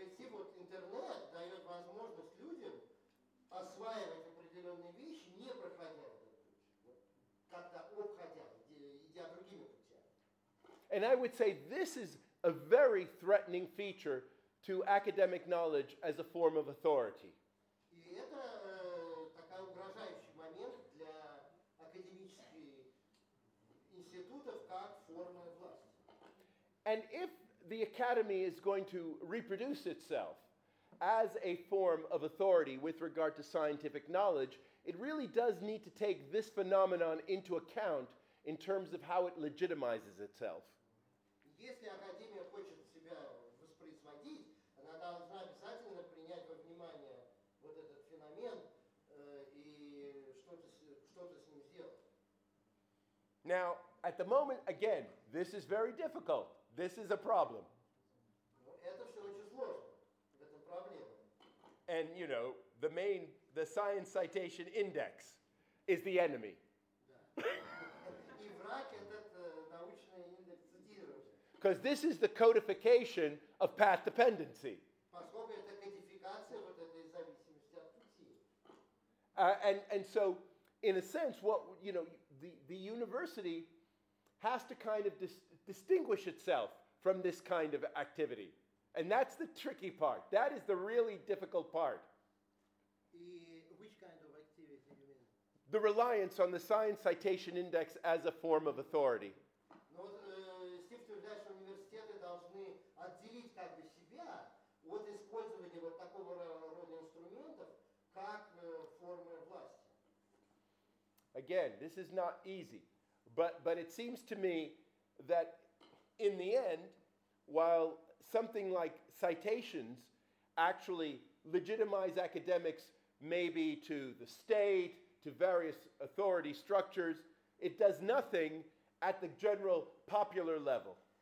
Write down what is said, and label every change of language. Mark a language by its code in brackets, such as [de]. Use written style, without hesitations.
[ru] Вот интернет дает возможность людям осваивать определенные вещи, не проходя, как-то обходя, идя другими путями. [en] And I would say this is a very threatening feature to academic knowledge as a form of authority. [ru] И это такой угрожающий момент для академических институтов как формы власти. [en] And if the academy is going to reproduce itself as a form of authority with regard to scientific knowledge, it really does need to take this phenomenon into account in terms of how it legitimizes itself. [ru] Если академия хочет себя воспроизводить, она должна обязательно принять во внимание вот этот феномен и что-то с ним сделать. [en] Now, at the moment, again, this is very difficult. This is a problem. [ru] Это все очень сложно. Это проблема. [en] And you know, the Science Citation Index is the enemy. [ru] Да. И враг этот научный индекс цитирования. [en] Because this is the codification of path dependency. [ru] Поскольку это кодификация вот этой зависимости от пути. [en] And so, in a sense, what you know, the university has to kind of distinguish itself from this kind of activity. And that's the tricky part. That is the really difficult part. Which kind of activity do you mean? The reliance on the Science Citation Index as a form of authority. [ru] Ну, Стивтердаш университеты должны отделить как бы себя от использования вот такого рода инструментов как формы власти. [en] again, this is not easy. But it seems to me that in the end, while something like citations actually legitimize academics maybe to the state, to various authority structures, it does nothing at the general popular level.